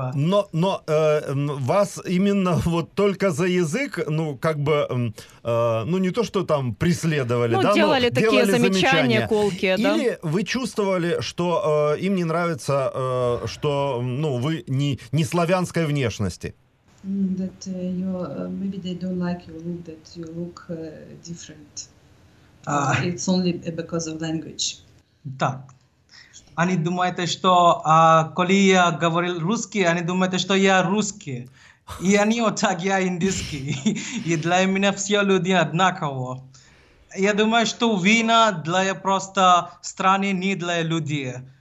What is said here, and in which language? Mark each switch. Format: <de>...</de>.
<ru>Но вас именно вот только за язык, ну, как бы, ну, не то, что там преследовали, ну, да, делали но такие делали замечания колкие, да. Или вы чувствовали, что им не нравится, что, ну, вы не славянской внешности?</ru> <en>That maybe they don't like your look, that you look different. It's only because of language.</en> <ru>Так. Они думают, что когда я говорил русский, они думают, что я русский. И они вот так, я индийский. И для меня все люди одинаково. Я думаю, что вина для просто страны, не для людей.</ru>